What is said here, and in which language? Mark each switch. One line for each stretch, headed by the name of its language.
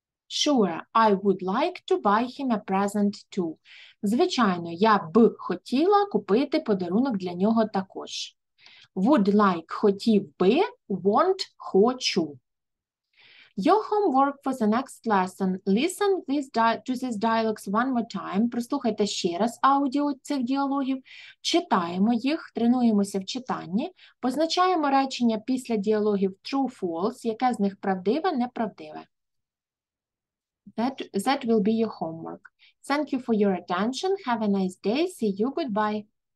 English: Sure, I would like to buy him a present too.
Ukrainian: Звичайно, я б хотіла купити подарунок для нього також.
English: Would like – хотів би, want – хочу. Your homework for the next lesson. Listen to these dialogues one more time.
Ukrainian: Прослухайте ще раз аудіо цих діалогів. Читаємо їх, тренуємося в читанні. Позначаємо речення після діалогів true-false, яке з них правдиве, неправдиве.
English: That will be your homework. Thank you for your attention. Have a nice day. See you. Goodbye.